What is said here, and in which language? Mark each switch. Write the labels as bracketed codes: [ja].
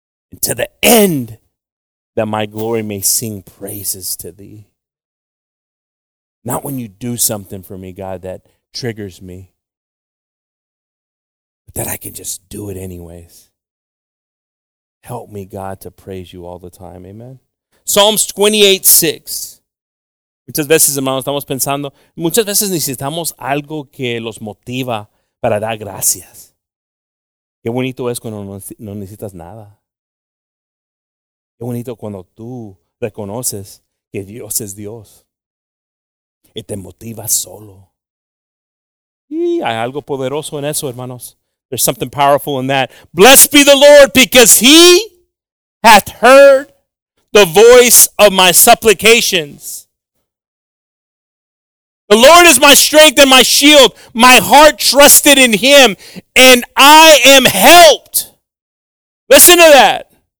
[en] And to the end, that my glory may sing praises to thee. Not when you do something for me, God, that triggers me, but that I can just do it anyways. Help me, God, to praise you all the time. Amen. Psalms 28:6. [es] Muchas veces, hermanos, estamos pensando, muchas veces necesitamos algo que los motiva para dar gracias. Qué bonito es cuando no necesitas nada. Qué bonito cuando tú reconoces que Dios es Dios. Y te motiva solo. Y hay algo poderoso en eso, hermanos. [en] There's something powerful in that. Blessed be the Lord, because he hath heard the voice of my supplications. The Lord is my strength and my shield. My heart trusted in him, and I am helped. Listen to that.